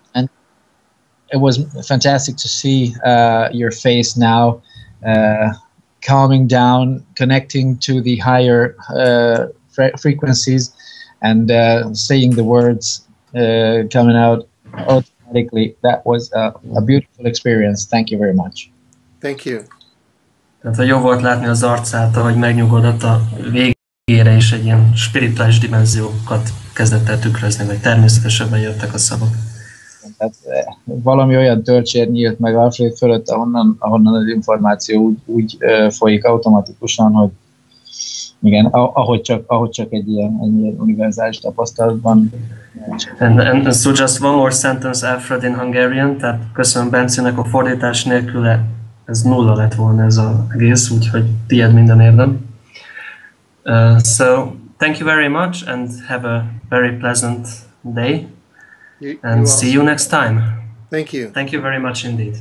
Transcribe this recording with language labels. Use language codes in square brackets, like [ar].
[en] And it was fantastic to see your face now. Calming down, connecting to the higher frequencies, and saying the words coming out automatically. That was a beautiful experience. Thank you very much. Thank you. [hu] Tehát jó volt látni az arcát, ahogy megnyugodott a végére, és egy ilyen spirituális dimenziókat kezdett el tükrözni, vagy természetesebben jöttek a szavak. Tehát valami olyan törcsér nyílt meg Alfred fölött, ahonnan az információ úgy folyik automatikusan, hogy igen, ahogy csak egy ilyen univerzális tapasztalatban. [en] And so just one more sentence, Alfred, in Hungarian, [hu] tehát köszönöm Bencinek a fordítás nélkül, ez nulla lett volna ez az egész, úgyhogy tied minden érdem. [en] So, thank you very much and have a very pleasant day. And you see you next time. Thank you. Thank you very much indeed.